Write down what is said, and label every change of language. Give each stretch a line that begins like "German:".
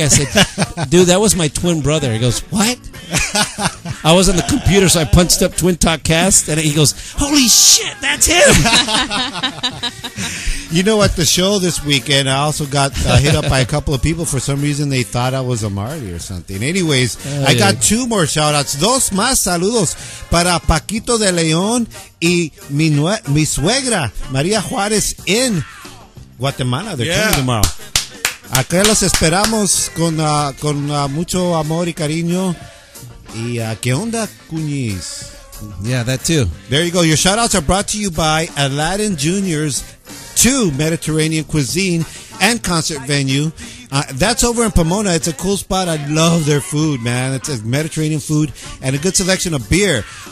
English: I said, "Dude, that was my twin brother." He goes, "What?" I was on the computer, so I punched up Twin Talk Cast, and he goes, "Holy shit, that's him." You know, at the show this weekend, I also got hit up by a couple of people. For some reason, they thought I was a Marty or something. Anyways, I got two more shout-outs.
Spanish: Dos más saludos para Paquito de León y mi suegra, María Juárez, in Guatemala.
English: They're coming tomorrow.
Spanish: Acá los esperamos con mucho amor y cariño. Y qué onda, cuñiz?
English: Yeah, that too. There you go. Your shout-outs are brought to you by Aladdin Junior's 2 Mediterranean Cuisine and Concert Venue. That's over in Pomona. It's a cool spot. I love their food, man. It's a Mediterranean food and a good selection of beer.